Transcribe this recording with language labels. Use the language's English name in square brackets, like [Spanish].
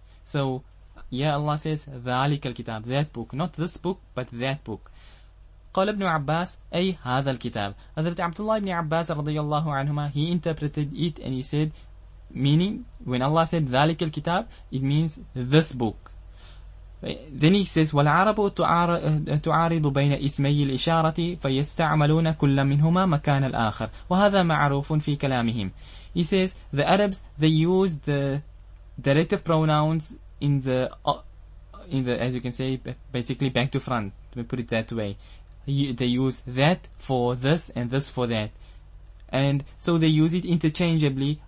[English] So, yeah, Allah says, [Arabic] ذَلِكَ الْكِتَابِ, [English] that book. Not this book, but that book. [Arabic] قَالَ ابْنُ عَبَّاسِ أَيْ هَذَا الْكِتَابِ. [English] Hazrat Abdullah ibn Abbas [Arabic] رضي الله عنهما, [English] he interpreted it and he said, meaning, when Allah said, [Arabic] ذَلِكَ الْكِتَابِ, [English] it means this book. Then he says, [Arabic] وَالْعَرَبُ تُعَارِضُ بَيْنَ إِسْمَيِّ الْإِشَارَةِ فَيَسْتَعْمَلُونَ كُلَّ مِنْهُمَا مَكَانَ الْآخَرِ وَهَذَا مَعْرُوفٌ فِي كَلَامِهِمْ. [English] He says, the Arabs, they use the directive pronouns in the, as you can say, basically back to front, to put it that way. They use that for this and this for that. And so they use it interchangeably.